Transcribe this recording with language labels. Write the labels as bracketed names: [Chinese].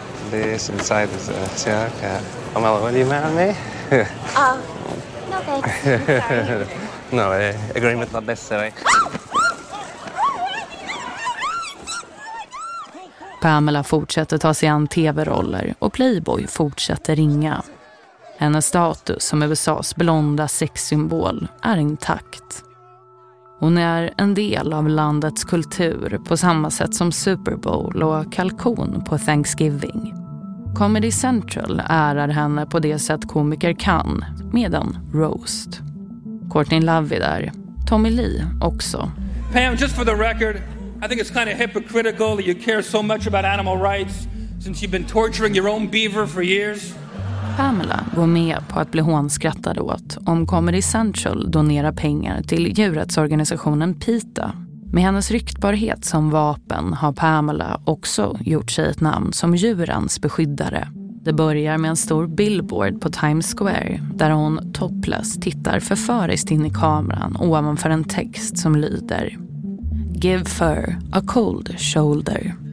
[English] This inside is a check. Pamela, will you marry me? No, thanks. No, agreement not necessary. [Swedish] Pamela fortsätter ta sig an tv-roller och Playboy fortsätter ringa. Hennes status som USA:s blonda sexsymbol är intakt. Hon är en del av landets kultur på samma sätt som Super Bowl och kalkon på Thanksgiving. Comedy Central ärar henne på det sätt komiker kan, medan roast. Courtney Love är där. Tommy Lee också. [English] Pam, just for the record, I think it's kind of hypocritical that you care so much about animal rights since you've been torturing your own beaver for years. [Swedish] Pamela går med på att bli hånskrattad åt om Comedy Central donerar pengar till djurrättsorganisationen PETA. Med hennes ryktbarhet som vapen har Pamela också gjort sig ett namn som djurens beskyddare. Det börjar med en stor billboard på Times Square där hon topless tittar förföriskt in i kameran ovanför en text som lyder [English] Give fur a cold shoulder.